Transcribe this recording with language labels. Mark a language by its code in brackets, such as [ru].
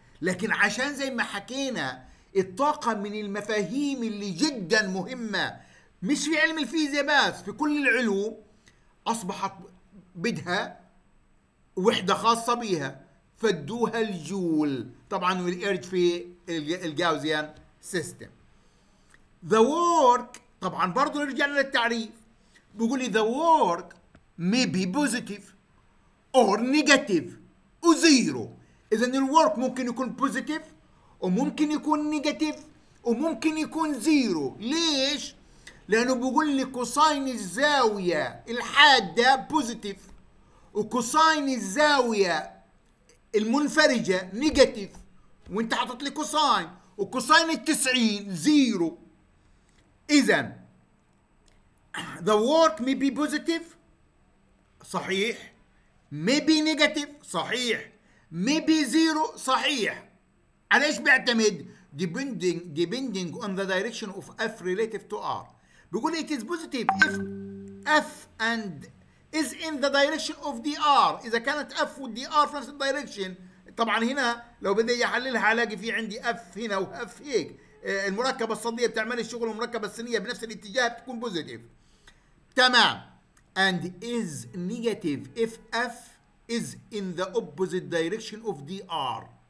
[ar] لكن عشان زي ما حكينا الطاقة من المفاهيم اللي جدا مهمة مش في علم الفيزياء بس في كل العلوم أصبحت بدها وحدة خاصة بيها فدوها الجول طبعا والإرج في الجاوزيان سيستم. [en] The work طبعا برضو نرجع للتعريف بيقولي the work may be positive or negative [ar] وزيرو. اذا الورك ممكن يكون بوزيتيف وممكن يكون نيجاتيف وممكن يكون زيرو. ليش؟ لانه بقول لك كوساين الزاويه الحاده بوزيتيف وكوساين الزاويه المنفرجه نيجاتيف، وانت حاطط لي كوساين وكوساين التسعين زيرو. [en] اذا the work may be positive صحيح، may be negative صحيح، may be zero صحيح. على ايش بيعتمد؟ depending on the direction of f relative to r. بيقول it is positive if f and is in the direction of dr. [ar] اذا كانت f و dr في نفس الدايركشن، طبعا هنا لو بدي احللها الاقي في عندي f هنا و f هيك، المركبة الصدية بتعمل الشغل والمركبة السينية بنفس الاتجاه بتكون positive. تمام. [en] And is negative if f is in the opposite direction of dr.